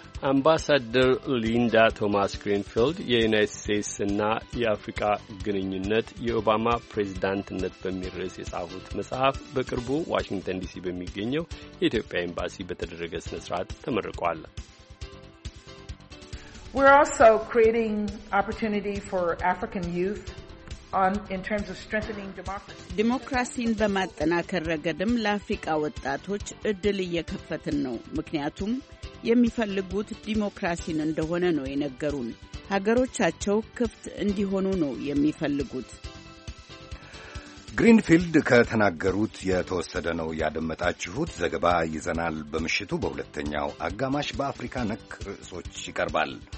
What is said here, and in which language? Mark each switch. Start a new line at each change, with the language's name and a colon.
Amharic: አምባሳደር ሊንዳ ቶማስ ግሪንፊልድ የዩናይትድ ስቴትስ እና የአፍሪካ ግንኙነት የኦባማ ፕሬዚዳንትነት በሚል ርዕስ የጻፉት መጽሐፍ በቅርቡ ዋሽንግተን ዲሲ በሚገኘው የኢትዮጵያ ኤምባሲ በተደረገ ስነ ስርዓት ተመርቋል።
English: We're also creating opportunity for African youth on in terms of strengthening democracy
Amharic: in በማጠናከር ረገድም ለአፍሪካ ወጣቶች እድል እየከፈትን ነው ምክንያቱም የሚፈልጉት ዲሞክራሲን እንደሆነ ነው የነገሩን። ሀገሮቻቸው ክፍት እንዲሆኑ ነው የሚፈልጉት። ግሪንፊልድ ከተናገሩት የተወሰደ ነው ያደመጣችሁት። ዘገባ ይዘናል በምሽቱ በሁለተኛው አጋማሽ በአፍሪካ ነክ ርዕሶች ይቀርባል።